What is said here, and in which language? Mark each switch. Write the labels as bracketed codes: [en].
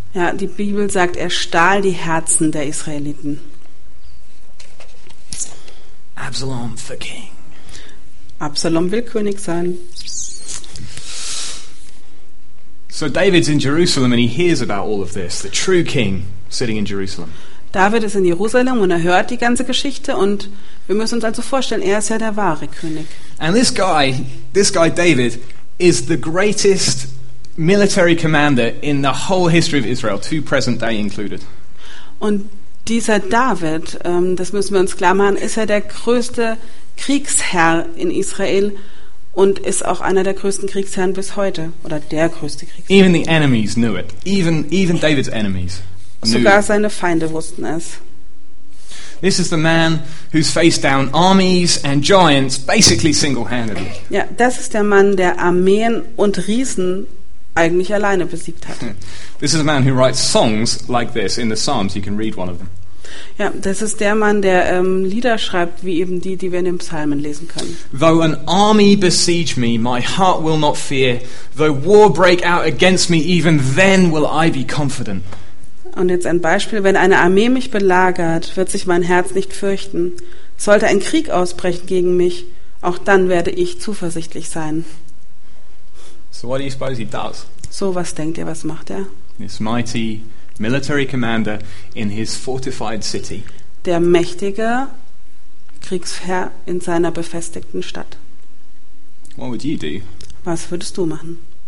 [de] Ja, die Bibel sagt, er stahl die Herzen der Israeliten. [en] Absalom for king. [de] Absalom will König sein. [en] So David's in Jerusalem and he hears about all of this, the true king sitting in Jerusalem. [de] David ist in Jerusalem und er hört die ganze Geschichte und wir müssen uns also vorstellen, er ist ja der wahre König. [en] And this guy David is the greatest military commander in the whole history of Israel, to present day included. [de] Und dieser David, das müssen wir uns klar machen, ist ja der größte Kriegsherr in Israel und ist auch einer der größten Kriegsherren bis heute oder der größte Kriegsherr. [en] Even the enemies knew it. Even David's enemies. [de] Sogar seine Feinde wussten es. [en] This is the man who's faced down armies and giants basically single-handedly. [de] Ja, das ist der Mann, der Armeen und Riesen eigentlich alleine besiegt hat. [en] This is a man who writes songs like this in the Psalms. You can read one of them. [de] Ja, das ist der Mann, der Lieder schreibt, wie eben die, die wir in den Psalmen lesen können. [en] Though an army besiege me, my heart will not fear. Though war break out against me, even then will I be confident. [de] Und jetzt ein Beispiel, wenn eine Armee mich belagert, wird sich mein Herz nicht fürchten. Sollte ein Krieg ausbrechen gegen mich, auch dann werde ich zuversichtlich sein. [en] So, what do you suppose he does? [de] So, was denkt ihr, was macht er? [en] This mighty military commander in his fortified city. [de] Der mächtige Kriegsherr in seiner befestigten Stadt. [en] What would you do? [de] Was würdest du machen?